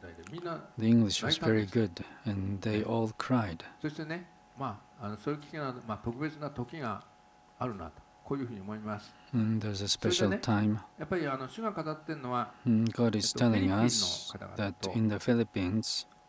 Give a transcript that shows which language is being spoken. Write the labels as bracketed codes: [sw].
[en] The English was very good, and they all cried. [ja] そしてね、まあ、それ聞けな、まあ、特別な時があるなと、こういうふうに思います。 [en] There's a special time. [ja] やっぱり主が語っているのは、 [en] God is telling us that in the Philippines.